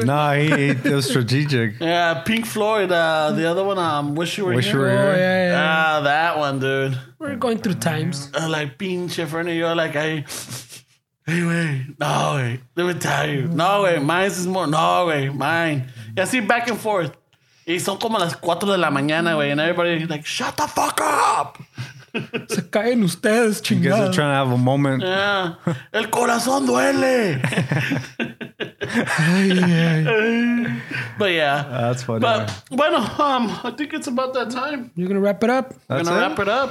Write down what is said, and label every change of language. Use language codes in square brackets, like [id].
[en] Or nah, he it was strategic. Yeah, Pink Floyd, the other one, Wish You Were Here. Oh, yeah, yeah. Ah, that one, dude. We're going through times. Like, pinche, for any of you, like, anyway, no way. Let me tell you. No way. Mine is more. No way. Mine. Yeah, see, back and forth. [es] Y son como las 4 de la mañana, güey. [en] And everybody like, shut the fuck up. [es] Se caen ustedes, chingada. [en] You guys are trying to have a moment. [es] Yeah. El corazón duele. [en] But yeah. That's funny. But, bueno, I think it's about that time. You're going to wrap it up? That's gonna it? Wrap it up,